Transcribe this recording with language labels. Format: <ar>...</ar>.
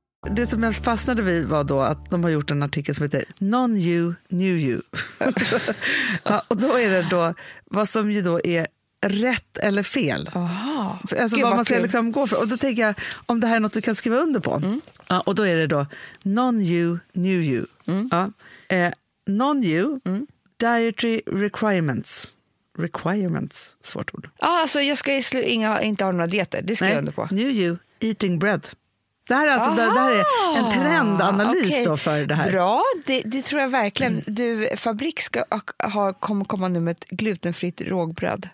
<sv>Det som jag fastnade vid var då att de har gjort en artikel som heter Non-You, New You. Ja, och då är det då vad som ju då är rätt eller fel. Aha. Alltså vad man ska liksom gå för. Och då tänker jag om det här är något du kan skriva under på. Mm. Ja, och då är det då Non-You, New You. Mm. Ja.</sv> <en>Non-You, Dietary Requirements.</en> <sv>Requirements, svårt ord. Ja, alltså jag ska inte ha några dieter, det skriver jag under på.</sv> <en>New You, Eating Bread.</en> <sv>Det här, alltså, det här är en trendanalys då för det här. Bra, det tror jag verkligen. Mm. Du, Fabrik kommer komma nu med ett glutenfritt rågbröd.</sv>